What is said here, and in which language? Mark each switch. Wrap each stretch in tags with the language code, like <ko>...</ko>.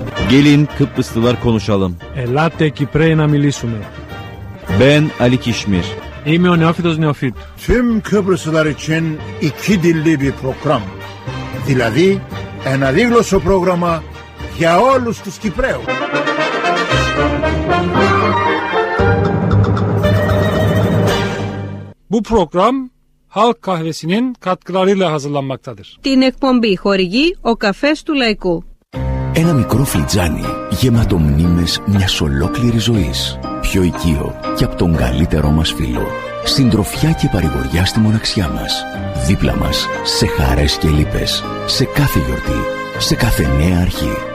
<tr>Gelin Kıbrıslılar konuşalım.</tr> <el>Ελάτε και πρέπει να μιλήσουμε.</el> <tr>Ben Ali Kişmir.</tr> <el>Είμαι ο Νεόφιτος Νεόφιτ.</el> <tr>Tüm Kıbrıslılar için iki dilli bir program.</tr> <el>Δηλαδή, ένα δίγλωσσο πρόγραμμα για όλους τους Κυπραίους.</el> <tr>Bu program Halk Kahvesi'nin katkılarıyla hazırlanmaktadır.</tr> <el>Την εκπομπή χορηγεί ο καφές του Λαϊκού. Ένα μικρό φλιτζάνι γεμάτο μνήμες μιας ολόκληρης ζωής. Πιο οικείο και από τον καλύτερό μας φίλο. Συντροφιά και παρηγοριά στη μοναξιά μας. Δίπλα μας, σε χαρές και λύπες. Σε κάθε γιορτή, σε κάθε νέα αρχή.</el>